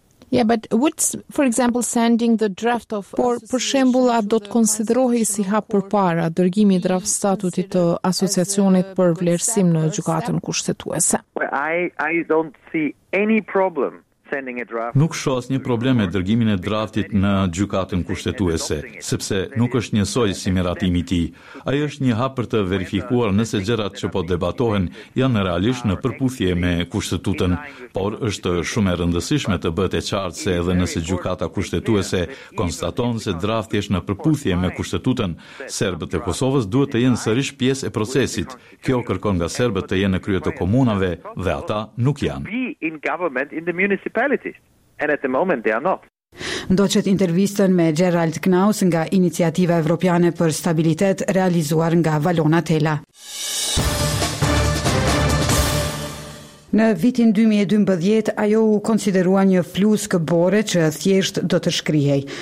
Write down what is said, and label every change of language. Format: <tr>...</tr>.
<en>Yeah, but would, for example, sending the draft of...</en> <sq>Por, për shembull, a do të konsiderohej si hap përpara dërgimi i draft statutit të asociacionit për vlerësim në gjykatën kushtetuese?</sq> <en>Well, I don't see any problem.</en> <sq>Nuk shoh asnjë problem me dërgimin e draftit në gjykatën kushtetuese, sepse nuk është njësoj si miratimi i tij. Ai është një hap për të verifikuar nëse gjërat që po debatohen janë realisht në përputhje me kushtetutën, por është shumë e rëndësishme të bëhet e qartë se edhe nëse gjykata kushtetuese konstaton se drafti është në përputhje me kushtetutën, serbët e Kosovës duhet të jenë sërish pjesë e procesit. Kjo kërkon nga serbët të jenë në krye të komunave dhe ata nuk janë.</sq> <en>And at the moment they are not.</en> <sq>Ndoqët intervistën me Gerald Knaus nga Iniciativa Evropiane për Stabilitet realizuar nga Valona Tela. Në vitin 2012, ajo u konsiderua një fluskë bore që thjesht do të shkrihej.</sq>